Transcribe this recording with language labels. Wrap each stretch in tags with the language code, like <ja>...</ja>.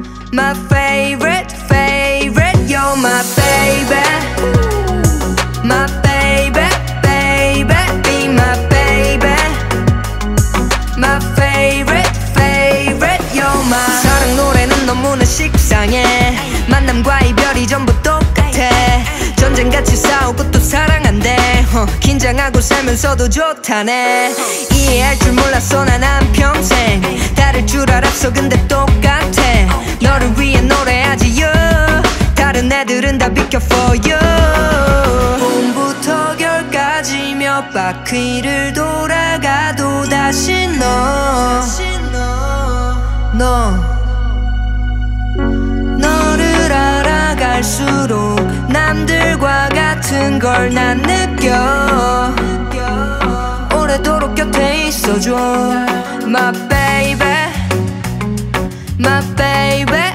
<en>My favorite, favorite, you're my baby. My baby, baby, be my baby. My favorite, favorite, you're my.</en> <ko>사랑 노래는 너무나 식상해. 만남과 이별이 전부 똑같아. 전쟁같이 싸우고 또 사랑한대. 긴장하고 살면서도 좋다네. 이해할 줄 몰랐어 난 한평생. 다를 줄 알았어 근데 똑같아. 너를 위해 노래하지</ko> <en>you.</en> <ko>다른 애들은 다 비켜</ko> <en>for you.</en> <ko>봄부터 결까지 몇 바퀴를 돌아가도 다시 너. 다시 너. 너 너를 알아갈수록 남들과 같은 걸 난 느껴. 오래도록 곁에 있어줘.</ko> <en>My baby, my baby.</en>